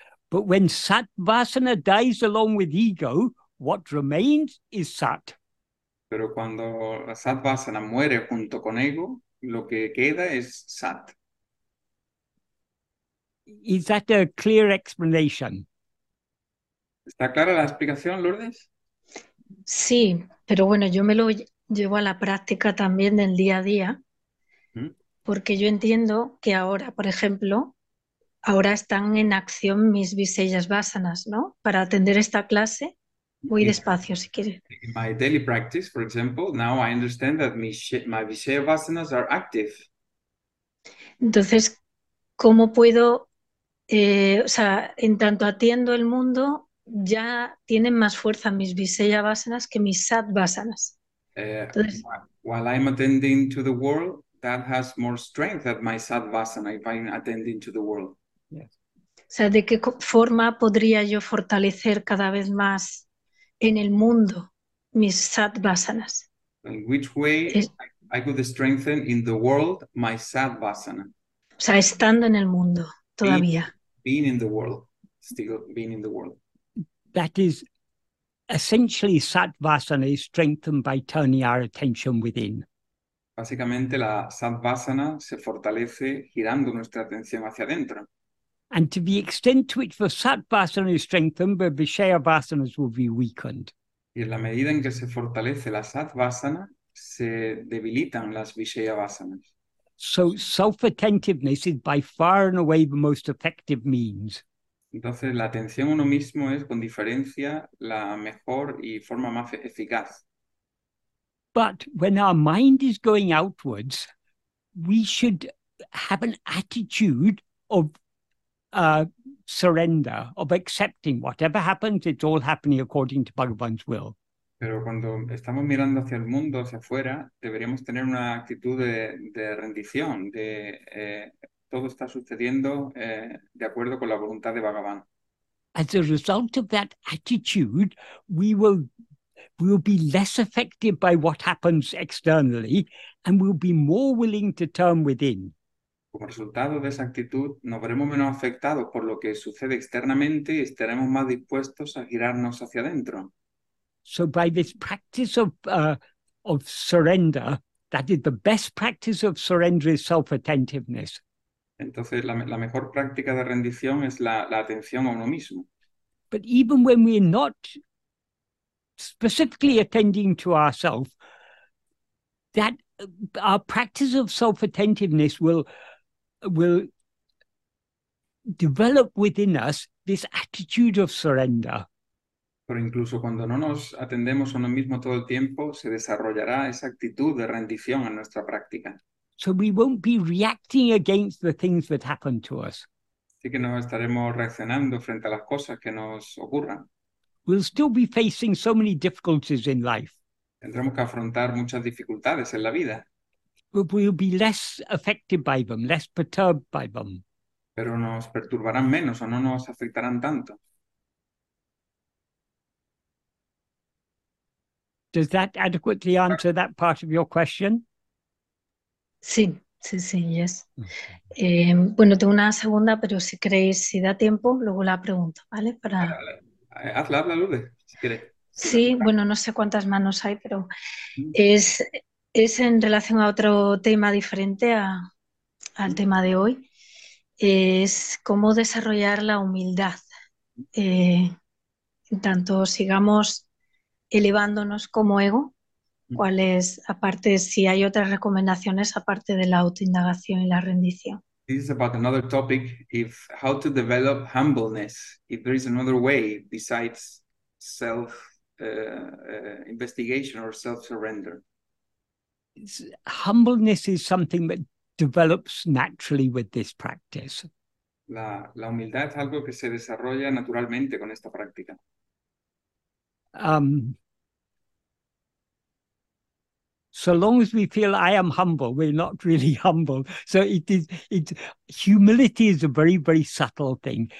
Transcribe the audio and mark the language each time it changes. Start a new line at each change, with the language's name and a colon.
English: But when sat vasana dies along with ego, what remains is sat.
Spanish: Pero cuando la sat vasana muere junto con ego, lo que queda es sat.
English: Is that a clear explanation?
Spanish: ¿Está clara la explicación, Lourdes? Sí, pero bueno, yo me lo llevo a la práctica también del día a día, porque yo entiendo que ahora, por ejemplo, ahora están en acción mis viseyas vasanas, ¿no? Para atender esta clase, voy despacio, si quieres.
English: In my daily practice, for example, now I understand that my viseya vasanas are active.
Spanish: Entonces, ¿cómo puedo, en tanto atiendo el mundo, ya tienen más fuerza mis viseya vasanas que mis sat vasanas?
English: Entonces, while I'm attending to the world, that has more strength than my sat vasana if I'm attending to the world. Yes.
Spanish: O sea, ¿de qué forma podría yo fortalecer cada vez más en el mundo mis sat vasanas?
English: In which way I could strengthen in the world my sat vasana?
Spanish: O sea, estando en el mundo todavía.
English: Being in the world, still being in the world. That is, essentially, sat vasana is strengthened by turning our attention within.
Spanish: Básicamente, la sat vasana se fortalece girando nuestra atención hacia adentro.
English: And to the extent to which the sat vasana is strengthened, the vishaya vasanas will be weakened.
Spanish: Y en la medida en que se fortalece la sat vasana, se debilitan las vishaya vasanas.
English: So self-attentiveness is by far and away the most effective means.
Spanish: Entonces, la atención a uno mismo es, con diferencia, la mejor y forma más eficaz.
English: But when our mind is going outwards, we should have an attitude of surrender, of accepting whatever happens, it's all happening according to Bhagavan's will.
Spanish: Pero cuando estamos mirando hacia el mundo, hacia afuera, deberíamos tener una actitud de rendición, de todo está sucediendo de acuerdo con la voluntad de Bhagavan.
English: As a result of that attitude, we will be less affected by what happens externally and we'll be more willing to turn within.
Spanish: Como resultado de esa actitud, nos veremos menos afectados por lo que sucede externamente y estaremos más dispuestos a girarnos hacia adentro.
English: So by this practice of surrender, that is the best practice of surrender is self-attentiveness.
Spanish: Entonces, la mejor práctica de rendición es la atención a uno mismo.
English: But even when we're not specifically attending to ourselves, that our practice of self-attentiveness will develop within us this attitude of surrender.
Spanish: Pero incluso cuando no nos atendemos a uno mismo todo el tiempo, se desarrollará esa actitud de rendición en nuestra práctica.
English: So we won't be reacting against the things that happen to us.
Spanish: Sí que no estaremos reaccionando frente a las cosas que nos ocurran.
English: We'll still be facing so many difficulties in life.
Spanish: Tendremos que afrontar muchas dificultades en la vida.
English: We'll be less affected by them, less perturbed by them.
Spanish: Pero nos perturbarán menos o no nos afectarán tanto.
English: Does that adequately answer that part of your question?
Spanish: Sí, sí, sí, yes. Bueno, tengo una segunda, pero si queréis, si da tiempo, luego la pregunto, ¿vale? Para... Hazla, habla, Lude, si quieres. Sí, bueno, no sé cuántas manos hay, pero es en relación a otro tema diferente al tema de hoy. Es cómo desarrollar la humildad. En tanto sigamos elevándonos como ego, ¿cuál es, aparte, si hay otras recomendaciones aparte de la autoindagación y la rendición?
English: This is about another topic, if how to develop humbleness, if there is another way besides self investigation or self surrender. Humbleness is something that develops naturally with this practice.
Spanish: La humildad es algo que se desarrolla naturalmente con esta práctica.
English: So long as we feel I am humble, we're not really humble. So it is. It's humility is a very, very subtle thing.